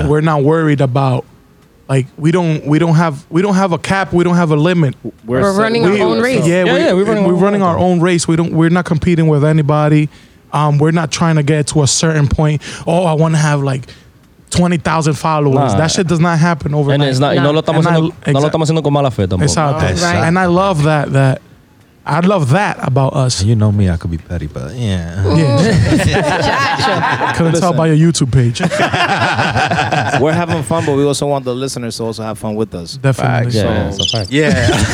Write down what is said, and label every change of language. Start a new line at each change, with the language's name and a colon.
English: And we're not worried about, like, we don't have a cap. We don't have a limit. We're running our own race. Yeah, we're running our own race. We're not competing with anybody. We're not trying to get to a certain point. Oh, I want to have like 20,000 followers. Nah. That shit does not happen overnight. And it's not.
Spanish: No lo estamos haciendo con mala fe tampoco.
English: Exactly. Right. And I love that. I love that about us. You know me, I could be petty, but yeah. Couldn't tell by your YouTube page. We're having fun, but we also want the listeners to also have fun with us. Definitely. Facts. Yeah.